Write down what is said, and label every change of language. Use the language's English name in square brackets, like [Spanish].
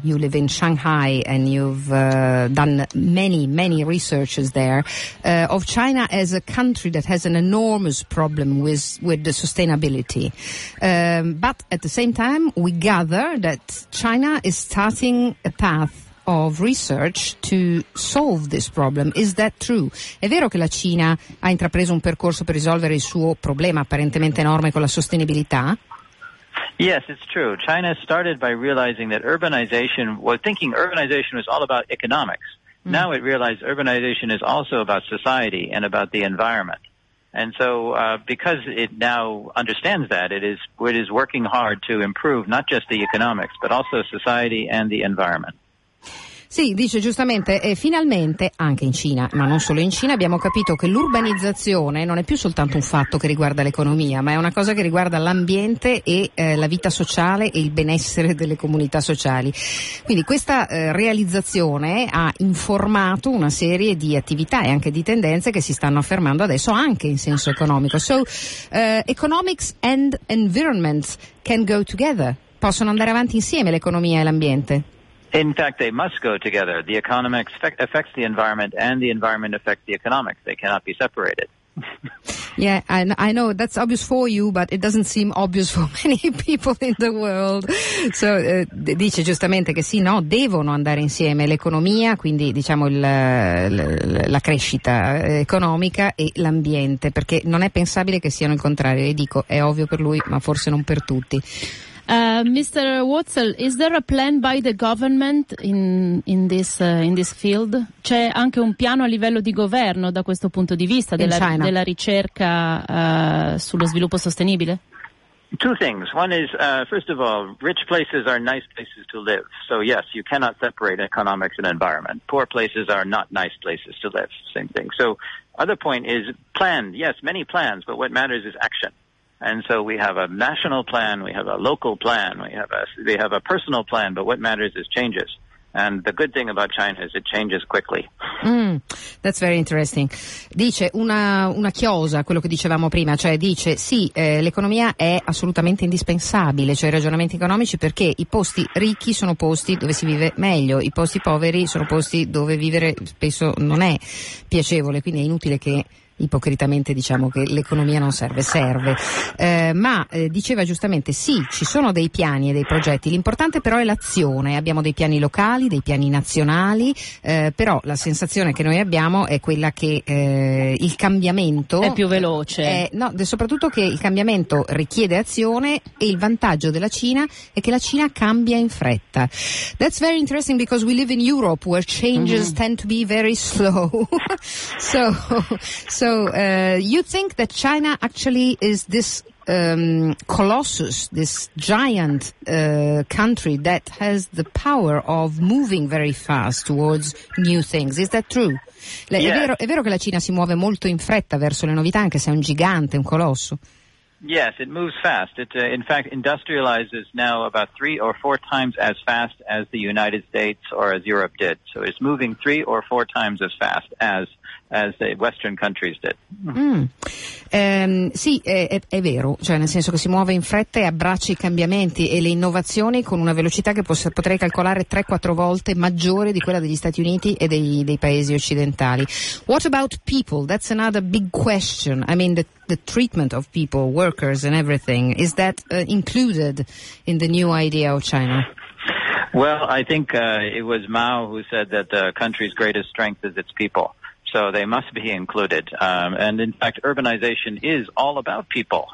[English] You live in Shanghai and you've done many researches there, of China as a country that has an enormous problem with the sustainability, but at the same time we gather that China is starting a path of research to solve this problem. Is that true? [Italian] È vero che la Cina ha intrapreso un percorso per risolvere il suo problema apparentemente enorme con la sostenibilità? [English] Yes, it's true. China started by realizing that urbanization, well, thinking urbanization was all about economics. Mm. Now it realized urbanization is also about society and about the environment. And so because it now understands that, it is working hard to improve not just the economics, but also society and the environment. [Italian] Sì, dice giustamente, e finalmente anche in Cina, ma non solo in Cina, abbiamo capito che l'urbanizzazione non è più soltanto un fatto che riguarda l'economia, ma è una cosa che riguarda l'ambiente e la vita sociale e il benessere delle comunità sociali. Quindi questa realizzazione ha informato una serie di attività e anche di tendenze che si stanno affermando adesso anche in senso economico. [English] So, economics and environment can go together. [Italian] Possono andare avanti insieme l'economia e l'ambiente. [English] In fact, they must go together. The economics affects the environment and the environment affects the economics. They cannot be separated. Yeah, I know that's obvious for you, but it doesn't seem obvious for many people in the world. [Italian] So dice giustamente che sì, no, devono andare insieme l'economia, quindi diciamo la crescita economica e l'ambiente, perché non è pensabile che siano il contrario. Le dico, è ovvio per lui, ma forse non per tutti. [English] Mr. Wurtzel, is there a plan by the government in this field? [Italian] C'è anche un piano a livello di governo da questo punto di vista della ricerca sullo sviluppo sostenibile? [English] Two things. One is, first of all, rich places are nice places to live. So yes, you cannot separate economics and environment. Poor places are not nice places to live. Same thing. So other point is planned. Yes, many plans, but what matters is action. And so we have a national plan, we have a local plan, we have a personal plan, but what matters is changes. And the good thing about China is it changes quickly. Mm, that's very interesting. [Italian] Dice una chiosa, quello che dicevamo prima, cioè dice sì, l'economia è assolutamente indispensabile, cioè i ragionamenti economici, perché i posti ricchi sono posti dove si vive meglio, i posti poveri sono posti dove vivere spesso non è piacevole, quindi è inutile che ipocritamente diciamo che l'economia non serve, serve. Diceva giustamente, sì, ci sono dei piani e dei progetti, l'importante però è l'azione. Abbiamo dei piani locali, dei piani nazionali, però la sensazione che noi abbiamo è quella che il cambiamento è più veloce. Soprattutto che il cambiamento richiede azione, e il vantaggio della Cina è che la Cina cambia in fretta. [English] That's very interesting because we live in Europe where changes tend to be very slow. So you think that China actually is this colossus, this giant country that has the power of moving very fast towards new things. Is that true? Yes. [Italian] È vero che la Cina si muove molto in fretta verso le novità, anche se è un gigante, un colosso? [English] Yes, it moves fast. It in fact industrializes now about 3 or 4 times as fast as the United States or as Europe did. So it's moving 3 or 4 times as fast as the Western countries did. Mm. [Italian] Sì, è vero, cioè nel senso che si muove in fretta e abbraccia i cambiamenti e le innovazioni con una velocità che potrei calcolare 3-4 volte maggiore di quella degli Stati Uniti e dei paesi occidentali. [English] What about people? That's another big question. I mean the treatment of people, workers and everything. Is that included in the new idea of China? Well, I think it was Mao who said that the country's greatest strength is its people. So they must be included. And in fact, urbanization is all about people.